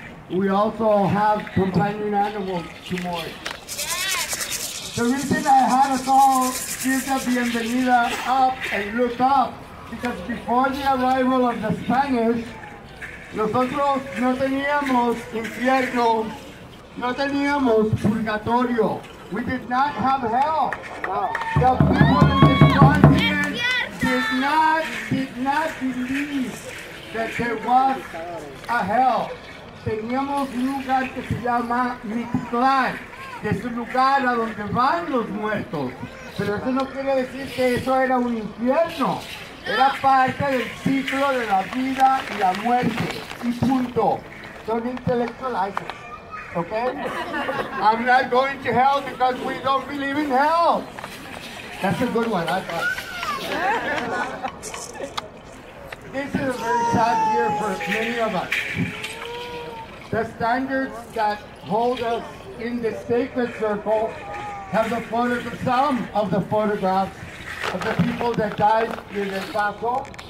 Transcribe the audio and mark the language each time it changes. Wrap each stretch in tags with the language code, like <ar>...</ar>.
<en>We also have companion animals to mourn. The reason I had us all give the bienvenida up and look up, because before the arrival of the Spanish,</en> <es>nosotros no teníamos infierno, no teníamos purgatorio.</es> <en>We did not have hell. The people in this continent did not believe that there was a hell.</en> <es>Teníamos un lugar que se llama Mictlán, que es un lugar a donde van los muertos. Pero eso no quiere decir que eso era un infierno. Era parte del ciclo de la vida y la muerte. Y punto. Son intelectualizados. Okay?</es> <en>I'm not going to hell because we don't believe in hell. That's a good one, I thought. This is a very sad year for many of us. The standards that hold us in the sacred circle have the photos of some of the photographs of the people that died in El Paso.</en>